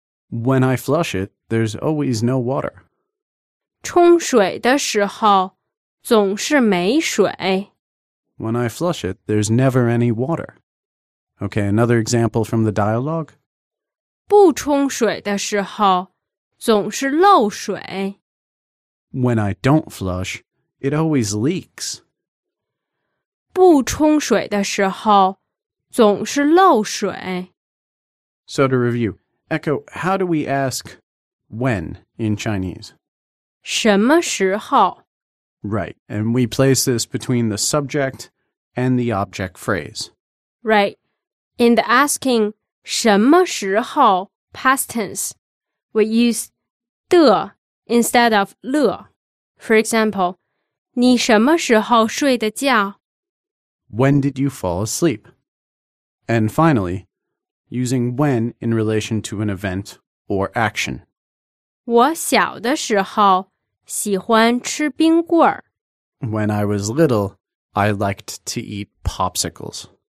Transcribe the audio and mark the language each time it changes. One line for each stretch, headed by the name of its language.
English: When I flush it, there's always no water.
Chinese: 冲水的时候总是没水.
English: When I flush it, there's never any water. Okay, another example from the dialogue.
Chinese: 不冲水的时候总是漏水.
English: When I don't flush, it always leaks.
Chinese: 不冲水的时候总是漏水.
English: So to review, Echo, how do we ask when in Chinese?
Chinese: 什么时候?
English: Right, and we place this between the subject and the object phrase. Right. In the asking 什么时候 past tense, we use 的 instead of 了. For example,
Chinese: 你什么时候睡的觉?
English: When did you fall asleep? And finally, using when in relation to an event or action.
Chinese: 我小的时候喜欢吃冰棍儿.
English: When I was little, I liked to eat popsicles.